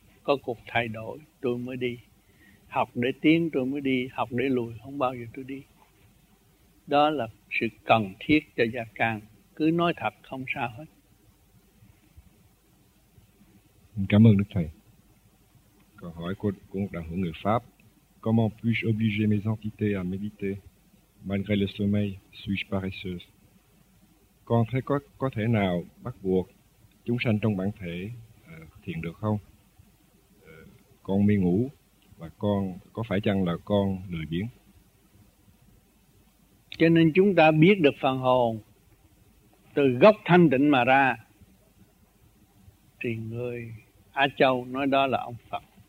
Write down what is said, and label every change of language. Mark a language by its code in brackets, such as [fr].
[vi] Có cuộc thay đổi tôi mới đi, học để tiến tôi mới đi, học để lùi không bao giờ tôi đi. đó là sự cần thiết cho gia can. Cứ nói thật không sao hết. Cảm ơn Đức Thầy. Câu hỏi của một đạo hữu người Pháp. [fr] Comment puis-je obliger mes entités à méditer malgré le sommeil, suis-je paresseuse? [vi] Con thấy có thể nào bắt buộc chúng sanh trong bản thể thiền được không? Con mê ngủ và con có phải chăng là con lười biếng? Cho nên chúng ta biết được phần hồn từ gốc thanh tịnh mà ra, thì người Á Châu nói đó là ông Phật.